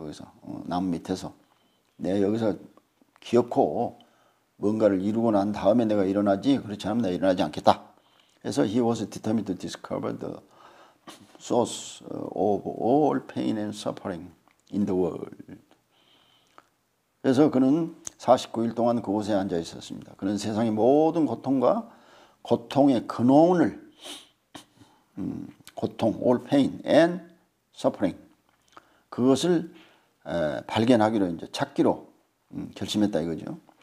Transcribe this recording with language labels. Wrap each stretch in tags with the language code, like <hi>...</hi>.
<ko>거기서 나무 밑에서 내가 여기서 기어코 뭔가를 이루고 난 다음에 내가 일어나지 그렇지 않으면 내가 일어나지 않겠다. 그래서</ko> <en>he was determined to discover the source of all pain and suffering in the world.</en> <ko>그래서 그는 49일 동안 그곳에 앉아 있었습니다. 그는 세상의 모든 고통과 고통의 근원을 고통,</ko> <en>all pain and suffering.</en> <ko>그것을 발견하기로, 이제 찾기로 결심했다 이거죠.</ko>